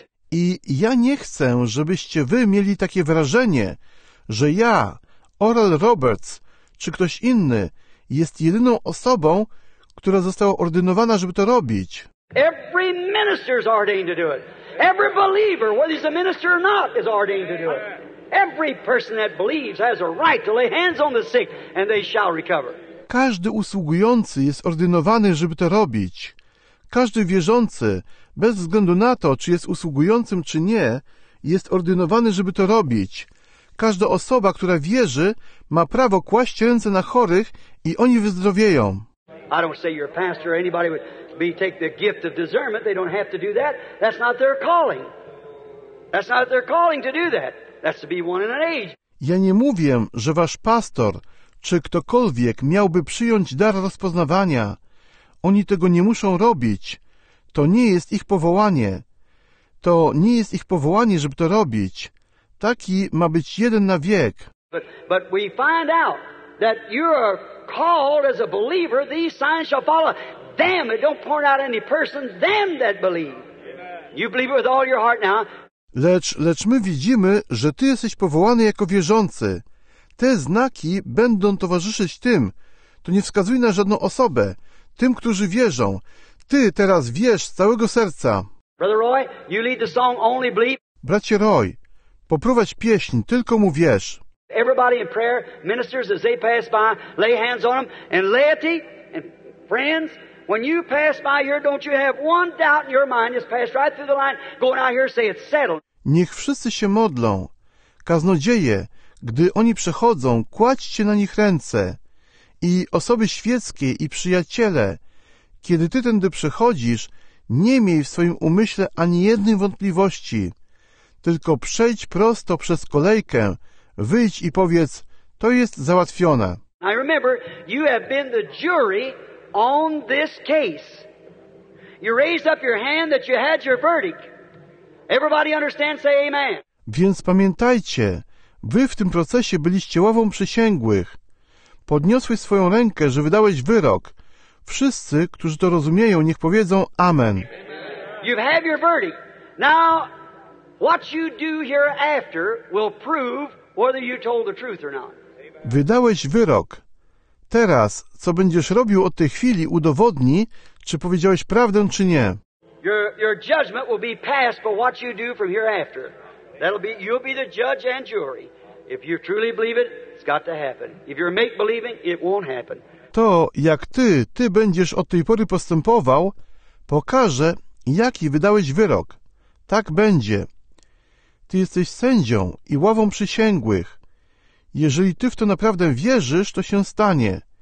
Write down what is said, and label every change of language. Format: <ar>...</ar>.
<pl>I ja nie chcę, żebyście wy mieli takie wrażenie, że ja, Oral Roberts, czy ktoś inny, jest jedyną osobą, która została ordynowana, żeby to robić.</pl> <en>Every minister is ordained to do it. Every believer, whether he's a minister or not, is ordained to do it. Every person that believes has a right to lay hands on the sick and they shall recover.</en> <pl>Każdy usługujący jest ordynowany, żeby to robić. Każdy wierzący, bez względu na to, czy jest usługującym, czy nie, jest ordynowany, żeby to robić. Każda osoba, która wierzy, ma prawo kłaść ręce na chorych i oni wyzdrowieją.</pl> <en>I don't say your pastor or anybody would be take the gift of discernment. They don't have to do that. That's not their calling. That's not their calling to do that. That's to be one in an age.</en> <pl>Ja nie mówię, że wasz pastor czy ktokolwiek miałby przyjąć dar rozpoznawania. Oni tego nie muszą robić. To nie jest ich powołanie. To nie jest ich powołanie, żeby to robić. Taki ma być jeden na wiek.</pl> <en>But we find out that you're called as a believer, these signs shall follow them. It don't point out any person, them that believe. You believe it with all your heart now.</en> <pl>Lecz my widzimy, że ty jesteś powołany jako wierzący. Te znaki będą towarzyszyć tym. To nie wskazuj na żadną osobę. Tym, którzy wierzą. Ty teraz wierz z całego serca.</pl> <en>Brother Roy, you lead the song, only believe.</en> <pl>Bracie Roy, poprowadź pieśń, tylko mu wierz.</pl> <en>Everybody in prayer, ministers, as they pass by, lay hands on them. And laity and friends, when you pass by here, don't you have one doubt in your mind? Just pass right through the line, going out here, say it's settled.</en> <pl>Niech wszyscy się modlą. Kaznodzieje, gdy oni przechodzą, kładźcie na nich ręce. I osoby świeckie i przyjaciele, kiedy ty tędy przechodzisz, nie miej w swoim umyśle ani jednej wątpliwości. Tylko przejdź prosto przez kolejkę, wyjdź i powiedz, to jest załatwione.</pl> <en>I remember, you have been the jury on this case. You raised up your hand that you had your verdict. Everybody understand? Say amen.</en> <pl>Więc pamiętajcie, wy w tym procesie byliście ławą przysięgłych. Podniosłeś swoją rękę, że wydałeś wyrok. Wszyscy, którzy to rozumieją, niech powiedzą amen.</pl> <en>You have your verdict. Now, what you do hereafter will prove whether you told the truth or not.</en> <pl>Wydałeś wyrok. Teraz, co będziesz robił od tej chwili, udowodni, czy powiedziałeś prawdę, czy nie.</pl> <en>Your judgment will be passed for what you do from hereafter. You'll be the judge and jury. If you truly believe it, it's got to happen. If you're make-believing, it won't happen.</en> <pl>To, jak ty będziesz od tej pory postępował, pokaże, jaki wydałeś wyrok. Tak będzie. Ty jesteś sędzią i ławą przysięgłych. Jeżeli ty w to naprawdę wierzysz, to się stanie.</pl>